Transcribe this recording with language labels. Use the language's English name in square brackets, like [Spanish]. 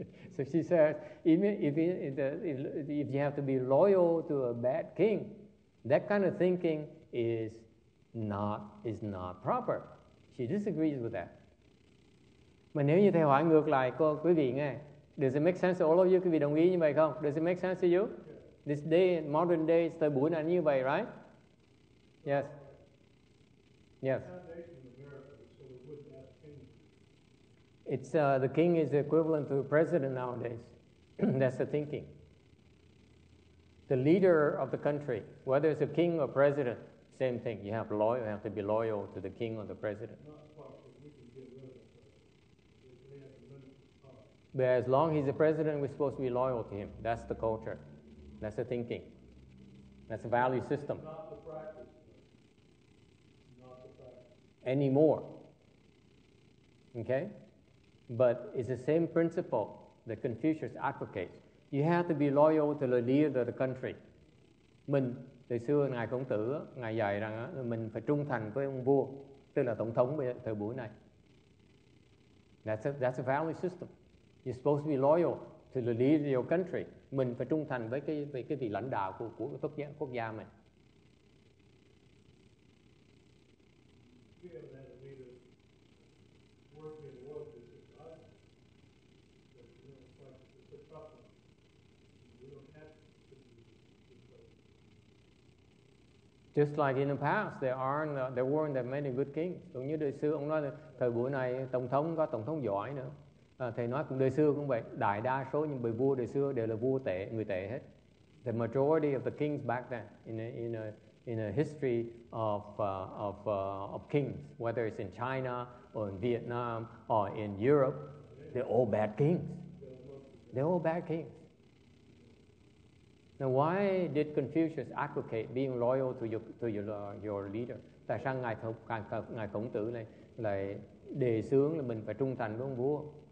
[English] So she says, if you have to be loyal to a bad king, that kind of thinking is not proper. She disagrees with that. [Vietnamese] Mà nếu như thầy hỏi ngược lại cô quý vị nghe, [English] does it make sense to all of you? [Vietnamese] Quý vị đồng ý như vậy không? [English] Does it make sense to you? This day, modern day, [Vietnamese] thời buổi này như vậy, [English] right? Yes. Yes. It's the king is equivalent to the president nowadays. That's the thinking. The leader of the country, whether it's a king or president, same thing. You have loyal, you have to be loyal to the king or the president. But as long as he's the president, we're supposed to be loyal to him. That's the culture. That's the thinking. That's the value system. Anymore. Okay? But it's the same principle that Confucius advocates. You have to be loyal to the leader of the country. [Vietnamese] Mình, từ xưa ngài Khổng Tử, ngài dạy rằng mình phải trung thành với ông vua, tức là tổng thống thời buổi này. [English] That's a value system. You're supposed to be loyal to the leader of your country. [Vietnamese] Mình phải trung thành với cái vị lãnh đạo của quốc gia mình. [English] Just like in the past, there weren't that many good kings. [Vietnamese] Cũng như đời xưa, ông nói thời buổi này tổng thống có tổng thống giỏi nữa. Thầy nói cũng đời xưa cũng vậy. Đại đa số những vị vua đời xưa đều là vua tệ, người tệ hết. [English] The majority of the kings back then, in a history of kings, whether it's in China or in Vietnam or in Europe, they're all bad kings. They're all bad kings. Now, why did Confucius advocate being loyal to your leader? [Vietnamese] Tại sao ngài Khổng Tử lại đề xướng là mình phải trung thành với ông vua?